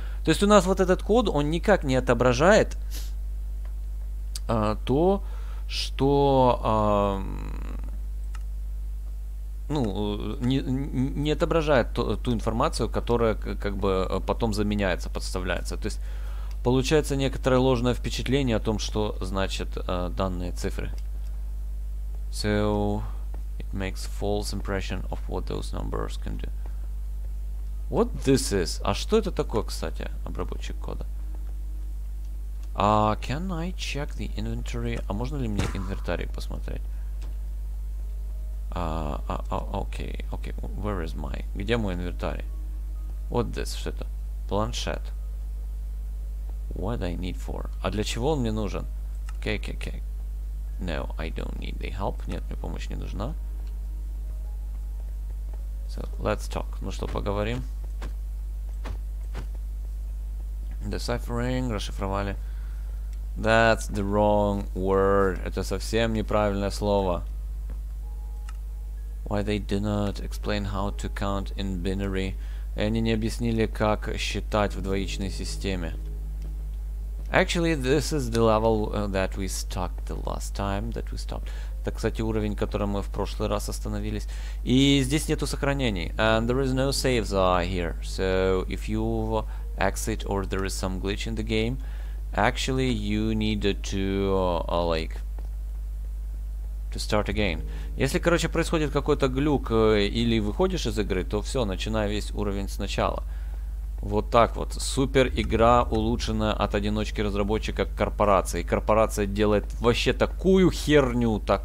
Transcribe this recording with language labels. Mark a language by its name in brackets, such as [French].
[Russian] То есть у нас вот этот код, он никак не отображает то, что не отображает ту информацию, которая как бы потом заменяется, подставляется. То есть получается некоторое ложное впечатление о том, что значит данные цифры. [English] So it makes false impression of what those numbers can do. What this is? [Russian] А что это такое, кстати, обработчик кода? [English] Can I check the inventory? [Russian] А можно ли мне инвентарь посмотреть? [English] Okay. Where is my? [Russian] Где мой инвентарь? [English] What this? [Russian] Что это? Планшет. [English] What I need for? [Russian] А для чего он мне нужен? [English] Okay. No, I don't need the help. [Russian] Нет, мне помощь не нужна. [English] So, let's talk. [Russian] Ну что, поговорим? [English] Deciphering. [Russian] Расшифровали. [English] That's the wrong word. [Russian] Это совсем неправильное слово. [English] Why they do not explain how to count in binary? [Russian] И они не объяснили, как считать в двоичной системе. [English] Actually, this is the level that we stuck the last time that we stopped. [Russian] Это, кстати, уровень, которым мы в прошлый раз остановились. И здесь нету сохранений. [English] And there is no saves here. So if you exit or there is some glitch in the game, actually, you need to to start again. [Russian] Если, короче, происходит какой-то глюк или выходишь из игры, то все, начинай весь уровень сначала. Вот так вот. Супер игра, улучшенная от одиночки разработчика к корпорации. Корпорация делает вообще такую херню.